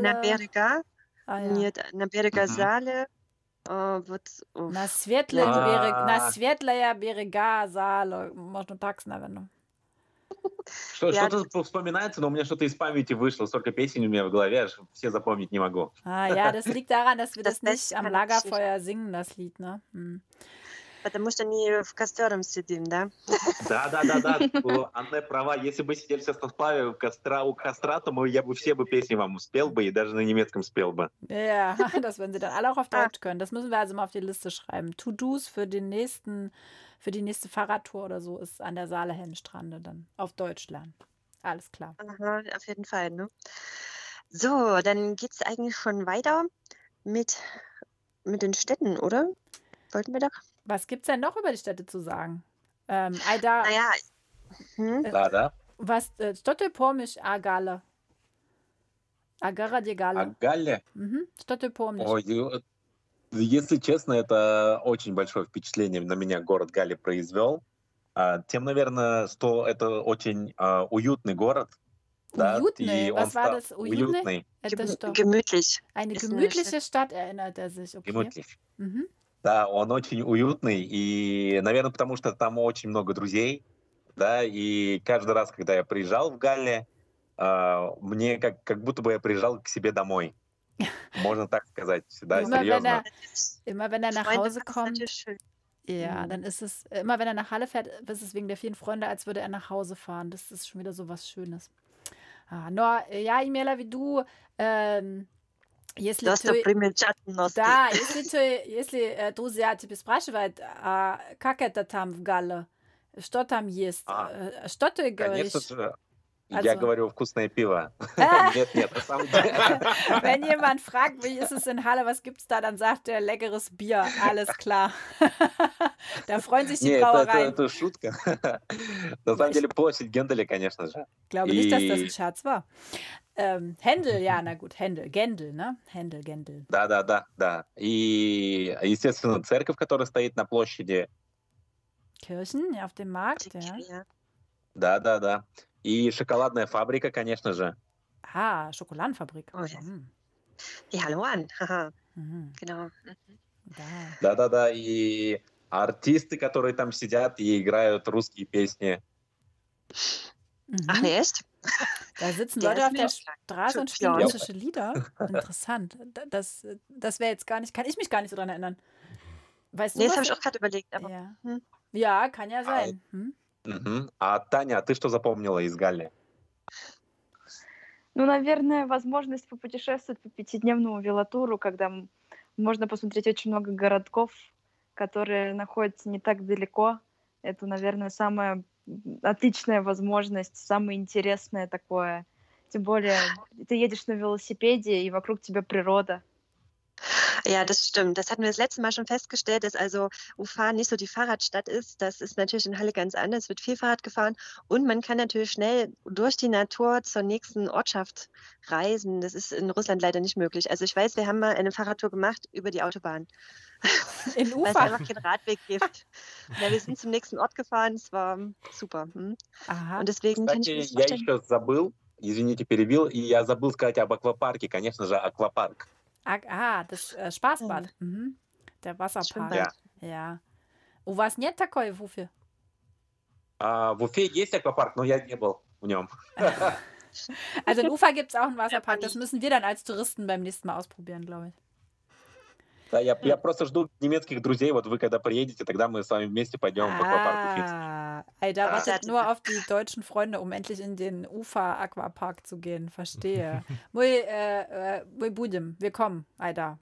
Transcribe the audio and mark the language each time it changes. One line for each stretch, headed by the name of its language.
Russian: На берега. Нет, на берега Saale. На светлые берега, на светлые берега Saale. Можно так, наверное. Что, что-то вспоминается, но у меня что-то из памяти вышло. Столько песен у меня в голове, аж все запомнить не могу.
German: А, ja, das liegt daran, dass wir das nicht am Lagerfeuer singen, das Lied, ne?
Russian: Потому что не в костером сидим, да? Да-да-да-да, Анна права. Если бы сидели сейчас на сплаве у костра, то я бы все бы песни вам спел бы и даже на немецком спел бы.
German: Ja, das würden sie dann alle auch auf Deutsch können. Das müssen wir also mal auf die Liste schreiben. To-dos für den nächsten... Für die nächste Fahrradtour oder so ist an der Saale-Helm-Strande dann auf Deutschland. Alles klar. Aha, auf jeden Fall, ne? So, dann geht es eigentlich schon weiter mit den Städten, oder? Wollten wir doch. Was gibt es denn noch über die Städte zu sagen? Aida. Naja. Lada. Was? Stottelpomisch, Agale. Agara, Degale. Agale. Stottelpomisch.
Russian: Oh, если честно, это очень большое впечатление на меня город Гали произвел. Тем, наверное, что это очень уютный город. Уютный? Да?
German: Was war das?
Russian: Уютный? Это что?
German: Gemütlich. Eine gemütliche Stadt, erinnert er sich. Okay.
Russian: Gemütlich. Mm-hmm. Да, он очень уютный. И, наверное, потому что там очень много друзей. Да, и каждый раз, когда я приезжал в Гали, мне как будто бы я приезжал к себе домой. Можно так сказать, да,
German: immer,
Russian: серьезно.
German: Wenn er nach Hause kommt, ja, dann ist es, immer wenn er nach Halle fährt, ist es wegen der vielen Freunde, als würde er nach Hause fahren. Das ist schon wieder so was Schönes. Ah, no, ja, Imela, wie du,
Russian: если ты...
German: Das ist der Chatten,
Russian: да, если друзья тебе спрашивают, а как это там в Галле? Что там есть? А, что ты говоришь? Конечно же. Also, я говорю, вкусное пиво. Нет, на самом деле.
German: Wenn jemand fragt, wie ist es in Halle, was gibt's da, dann sagt er, leckeres Bier, alles klar. Da freuen sich die Brauereien.
Russian: Нет, это шутка. На самом деле, площадь Гендели, конечно же.
German: Glaube nicht, dass das ein Scherz war. Händel, ja, na gut, Händel, Гендель, ne? Händel, Гендель.
Russian: Да. И, естественно, церковь, которая стоит на площади.
German: Kirchen, ja, auf dem Markt, ja.
Russian: Да. И шоколадная фабрика, конечно же. А, шоколадная фабрика. И Алуан.
German: Genau.
Russian: Да. И артисты, которые там сидят и играют русские песни. Ах, есть?
German: Da sitzen Leute auf der Straße und spielen russische Lieder. Interessant. Das wäre jetzt gar nicht, kann ich mich gar nicht so dran erinnern. Weißt du? Nee, das habe ich auch gerade überlegt. Aber... Ja. Ja, kann ja sein.
Russian: А Таня, а ты что запомнила из Галли? Ну, наверное, возможность попутешествовать по пятидневному велотуру, когда можно посмотреть очень много городков, которые находятся не так далеко. Это, наверное, самая отличная возможность, самое интересное такое. Тем более, ты едешь на велосипеде, и вокруг тебя природа.
German: Ja, das stimmt. Das hatten wir das letzte Mal schon festgestellt, dass also Ufa nicht so die Fahrradstadt ist. Das ist natürlich in Halle ganz anders. Es wird viel Fahrrad gefahren und man kann natürlich schnell durch die Natur zur nächsten Ortschaft reisen. Das ist in Russland leider nicht möglich. Also ich weiß, wir haben mal eine Fahrradtour gemacht über die Autobahn. In Ufa? Weil es einfach keinen Radweg gibt. Ja, wir sind zum nächsten Ort gefahren. Es war super. Hm? Aha. Und deswegen kann ich mich vorstellen.
Russian: Я еще забыл, извините, перебил, и я забыл сказать об аквапарке. Конечно же, аквапарк.
German: Ah, das Spaßbad. Mhm. Der Wasserpark. Ja.
Russian: Ja. У вас нет такой в Уфе? В Уфе есть аквапарк, но я не был в нем.
German: Also in Ufa gibt es auch einen Wasserpark. Das müssen wir dann als Touristen beim nächsten Mal ausprobieren, glaube ich.
Russian: Да, я просто жду немецких друзей. Вот вы когда приедете, тогда мы с вами вместе пойдем в аквапарк.
German: Айда wartet nur auf die deutschen Freunde, um endlich in den Ufa-Aquapark zu gehen. Verstehe.
Russian: Мы будем.
German: Willkommen, Айда.